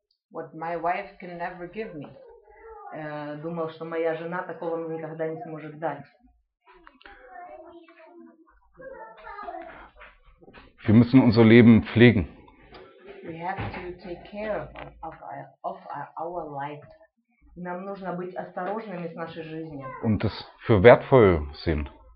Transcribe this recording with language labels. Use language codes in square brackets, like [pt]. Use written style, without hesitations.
[en] What my wife can never give me. [ru] Думал, что моя жена такого мне никогда не сможет дать. [de] Wir müssen unser Leben pflegen. [en] We have to take care of our life. [ru] Нам нужно быть осторожными с нашей жизнью. [de] Und das für wertvoll sehen.